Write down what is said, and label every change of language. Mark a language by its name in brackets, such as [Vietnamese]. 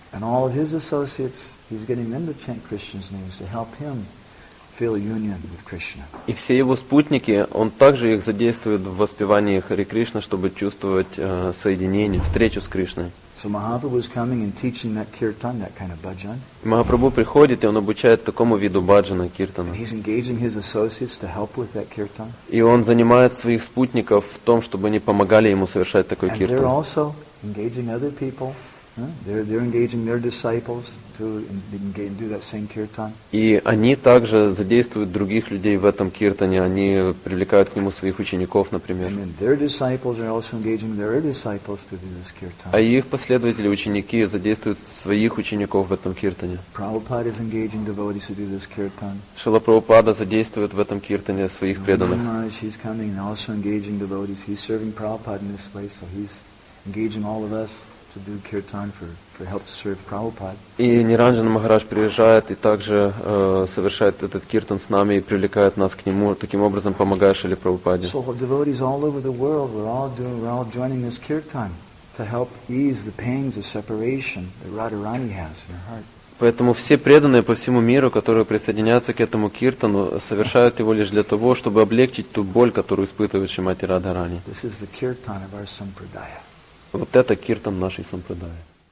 [English] And all of his associates, he's getting them to chant Krishna's names to help him feel union with Krishna. [Russian] И все его спутники, он также их задействует в воспевании Хари Кришна, чтобы чувствовать соединение, встречу с Кришной. [English] So Mahaprabhu is coming and teaching that kirtan, that kind of bhajan. [Russian] Махапрабху приходит, и он обучает такому виду бхаджана, киртана. [English] He's engaging his associates to help with that kirtan. [Russian] И он занимает своих спутников в том, чтобы они помогали ему совершать такой киртан. [English] And they're also engaging other people. They're engaging their disciples to do that same kirtan. [Russian] И они также задействуют других людей в этом киртане. Они привлекают к нему своих учеников, например. [English] And then their disciples are also engaging their disciples to do this kirtan. [Russian] А их последователи, ученики, задействуют своих учеников в этом киртане. [English] Prabhupada is engaging devotees to do this kirtan. [Russian] Шрила Прабхупада задействует в этом киртане своих преданных. [English] Maharaj, he's coming and also engaging devotees. He's serving Prabhupada in this way, so he's engaging all of us to do kirtan for help to serve Prabhupada. [Russian] И Ниранджан Махарадж приезжает и также совершает этот киртан с нами и привлекает нас к нему, таким образом помогая Шриле Прабхупаде. [English] So devotees all over the world, we're all joining this kirtan to help ease the pains of separation that Radharani has in her heart. [Russian] Поэтому все преданные по всему миру, которые присоединяются к этому киртану, совершают его лишь для того, чтобы облегчить ту боль, которую испытывает Шримати Радхарани. [English] This is the kirtan of our sampradaya. [Russian] Вот это киртан нашей сампрадая.